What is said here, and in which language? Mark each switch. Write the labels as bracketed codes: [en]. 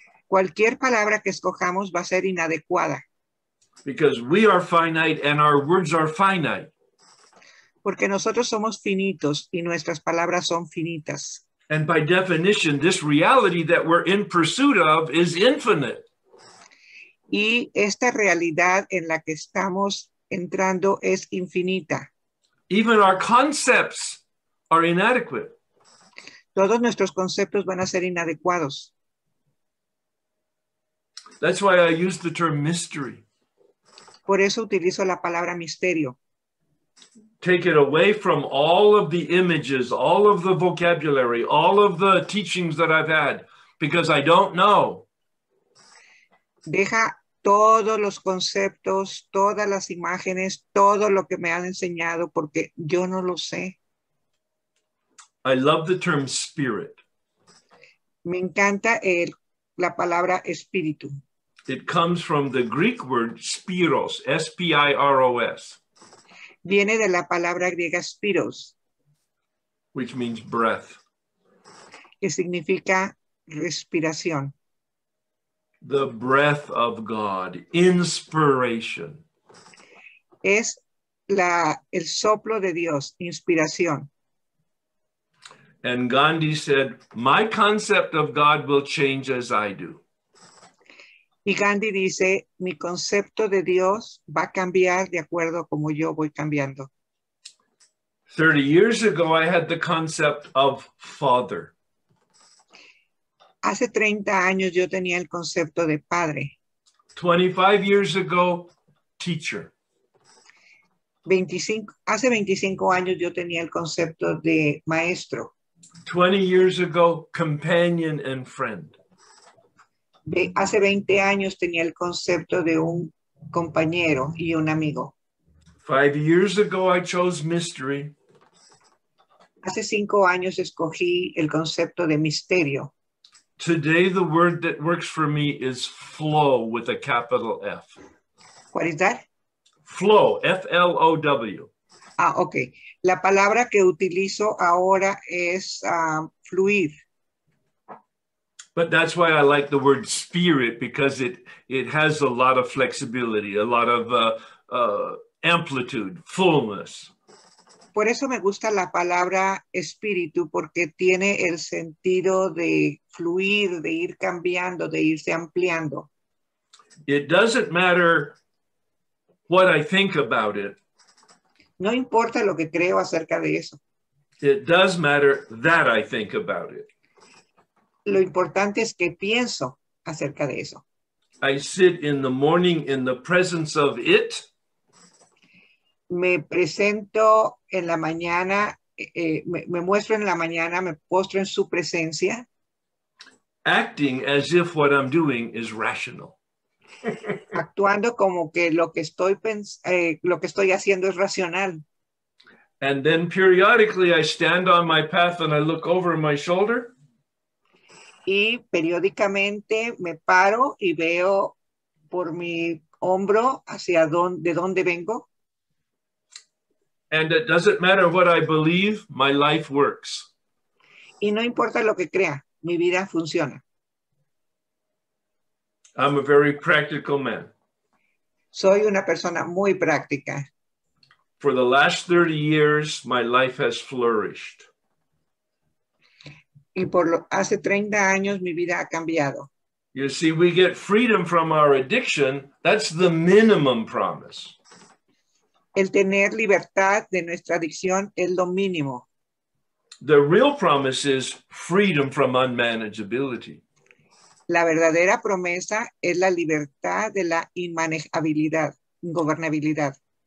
[es] Cualquier palabra que escojamos va a ser inadecuada. [en] Because we are finite and our words are finite. [es] Porque nosotros somos finitos y nuestras palabras son finitas. [en] And by definition, this reality that we're in pursuit of is infinite. [es] Y esta realidad en la que estamos entrando es infinita. [en] Even our concepts are inadequate. [es] Todos nuestros conceptos van a ser inadecuados. [en] That's why I use the term mystery. [es] Por eso utilizo la palabra misterio. [en] Take it away from all of the images, all of the vocabulary, all of the teachings that I've had, because I don't know. [es] Deja todos los conceptos, todas las imágenes, todo lo que me han enseñado, porque yo no lo sé. [en] I love the term spirit. [es] Me encanta la palabra espíritu. [en] It comes from the Greek word spiros, S-P-I-R-O-S. [es] Viene de la palabra griega spiros, [en] which means breath. [es] Que significa respiración. [en] The breath of God, inspiration. [es] Es la, el soplo de Dios, inspiración. [en] And Gandhi said, my concept of God will change as I do. [es] Y Gandhi dice, mi concepto de Dios va a cambiar de acuerdo a como yo voy cambiando. [en] 30 years ago, I had the concept of Father. [es] Hace 30 años yo tenía el concepto de padre. [en] 25 years ago, teacher. [es] Hace 25 años yo tenía el concepto de maestro. [en] 20 years ago, companion and friend. [es] Hace 20 años tenía el concepto de un compañero y un amigo. [en] 5 years ago, I chose mystery. [es] Hace 5 años escogí el concepto de misterio. [en] Today, the word that works for me is flow with a capital F. What is that? Flow, F-L-O-W. Ah, okay. [es] La palabra que utilizo ahora es fluir. [en] But that's why I like the word spirit, because it has a lot of flexibility, a lot of amplitude, fullness. [es] Por eso me gusta la palabra espíritu, porque tiene el sentido de fluir, de ir cambiando, de irse ampliando. [en] It doesn't matter what I think about it. [es] No importa lo que creo acerca de eso. [en] It does matter that I think about it. [es] Lo importante es que pienso acerca de eso. [en] I sit in the morning in the presence of it. [es] Me presento en la mañana, me muestro en la mañana, me postro en su presencia. [en] Acting as if what I'm doing is rational. [es] Actuando como que lo que estoy haciendo es racional. [en] And then periodically I stand on my path and I look over my shoulder. [es] Y periódicamente me paro y veo por mi hombro hacia dónde vengo. [en] And it doesn't matter what I believe, my life works. [es] Y no importa lo que crea, mi vida funciona. [en] I'm a very practical man. [es] Soy una persona muy práctica. [en] For the last 30 years, my life has flourished. [es] Y hace 30 años, mi vida ha cambiado. [en] You see, we get freedom from our addiction. That's the minimum promise. [es] El tener libertad de nuestra adicción es lo mínimo. [en] The real promise is freedom from unmanageability. [es] La verdadera promesa es la libertad de la inmanejabilidad, ingobernabilidad.